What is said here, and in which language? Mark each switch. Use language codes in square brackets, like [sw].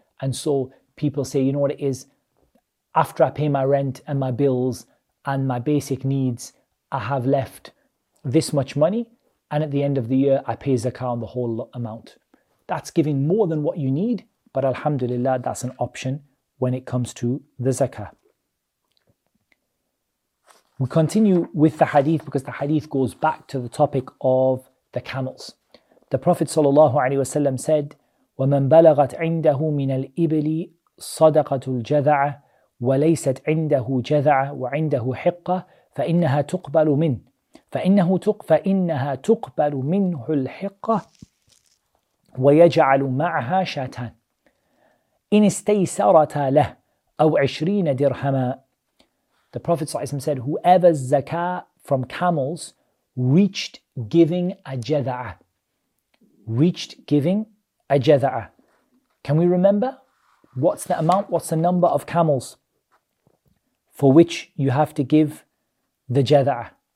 [en] And so people say, you know what it is, after I pay my rent and my bills and my basic needs, I have left this much money, and at the end of the year I pay zakah on the whole amount. That's giving more than what you need, but alhamdulillah, that's an option when it comes to the zakah. We continue with the hadith, because the hadith goes back to the topic of the camels. The Prophet sallallahu alaihi wasallam said, [ar] وَمَنْ بَلَغَتْ عِنْدَهُ مِنَ الْإِبْلِ صَدَقَةُ الْجَذَعَ وَلَيْسَتْ عِنْدَهُ جَذَعَ وَعِنْدَهُ حِقَّةُ فَإِنَّهَا تُقْبَلُ مِنْ فَإِنَّهَا تُقْبَلُ مِنْهُ الْحِقَّةُ وَيَجْعَلُ مَعَهَا شَاتَانَ إِنِ اسْتَيْسَرَتَا لَهُ أَوْ 20 دِرْهَمًا. [en] The Prophet ﷺ said, whoever's zakah from camels reached giving a jada'a. Reached giving a jada'a. Can we remember? What's the amount? What's the number of camels for which you have to give the jada'a?